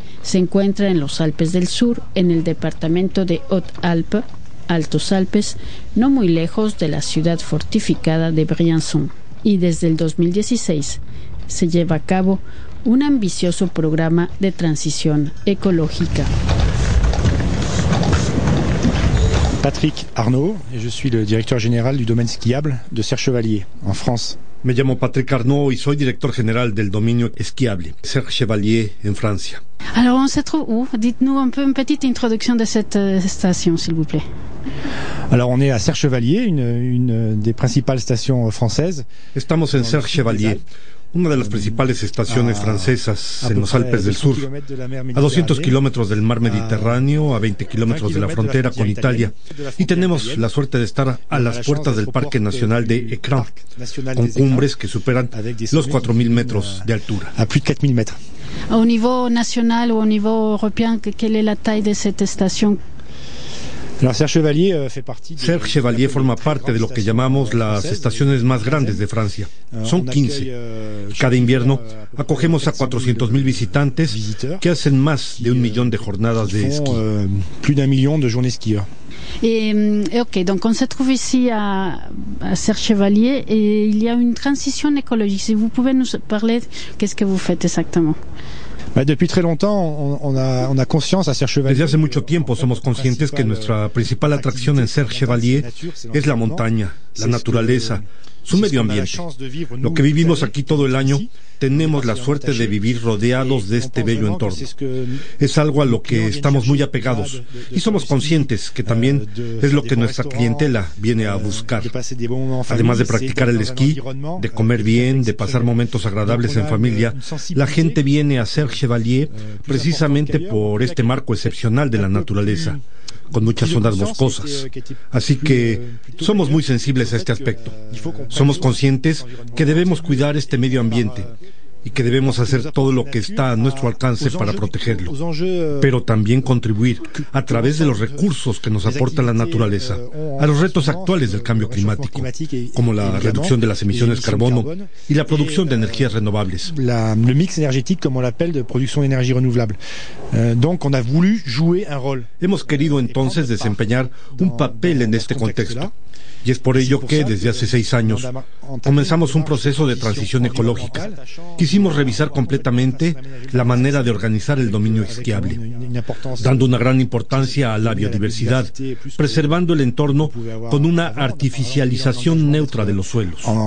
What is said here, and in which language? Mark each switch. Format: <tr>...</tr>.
<es>Se encuentra en los Alpes del Sur, en el departamento de Haute-Alpes, Altos Alpes, no muy lejos de la ciudad fortificada de Briançon. Y desde el 2016 se lleva a cabo un ambicioso programa de transición ecológica.</es> <fr>Patrick Arnaud, et je suis le directeur général du domaine skiable de Serre Chevalier en France.</fr> <es>Me llamo Patrick Arnaud y soy director general del dominio esquiable Serre Chevalier en Francia.</es> <fr>Alors, on se trouve où? Dites-nous un peu une petite introduction de cette station, s'il vous plaît. Alors, on est à Serre Chevalier, une des principales stations françaises.</fr> <es>Estamos en Serre Chevalier. Una de las principales estaciones francesas en los Alpes del Sur, a 200 kilómetros del mar Mediterráneo, a 20 kilómetros de la frontera con Italia. Y tenemos la suerte de estar a las puertas del Parque Nacional de Écrins, con cumbres que superan los 4.000 metros de altura.</es> <fr>A plus de 4.000 metros.</fr> <es>A nivel nacional o a nivel europeo, ¿cuál es la talla de esta estación? Serre Chevalier forma parte de lo que llamamos las estaciones más grandes de Francia. Son 15. Cada invierno acogemos a 400.000 visitantes que hacen más de 1 millón de jornadas de esquí.</es> <fr>Plus d'un million de journées skieurs. Et ok, donc on se trouve ici à Serre Chevalier et il y a une transition écologique. Si vous pouvez nous parler, qu'est-ce que vous faites exactement? Depuis très longtemps, on a conscience à Serre Chevalier.</fr> <es>Desde hace mucho tiempo somos conscientes que nuestra principal atracción en Serre Chevalier es la montaña, la naturaleza, su medio ambiente. Lo que vivimos aquí todo el año, tenemos la suerte de vivir rodeados de este bello entorno. Es algo a lo que estamos muy apegados y somos conscientes que también es lo que nuestra clientela viene a buscar. Además de practicar el esquí, de comer bien, de pasar momentos agradables en familia, la gente viene a Serre Chevalier precisamente por este marco excepcional de la naturaleza. con muchas zonas boscosas. Así que somos muy sensibles a este aspecto. Somos conscientes que debemos cuidar este medio ambiente y que debemos hacer todo lo que está a nuestro alcance para protegerlo, pero también contribuir a través de los recursos que nos aporta la naturaleza a los retos actuales del cambio climático, como la reducción de las emisiones de carbono y la producción de energías renovables.</es> <fr>Le mix énergétique, comme on l'appelle, de production d'énergie renouvelable. Donc on a voulu jouer un rôle.</fr> <es>Hemos querido entonces desempeñar un papel en este contexto. Y es por ello que desde hace 6 años comenzamos un proceso de transición ecológica. Quisimos revisar completamente la manera de organizar el dominio esquiable, dando una gran importancia a la biodiversidad, preservando el entorno con una artificialización neutra de los suelos.</es>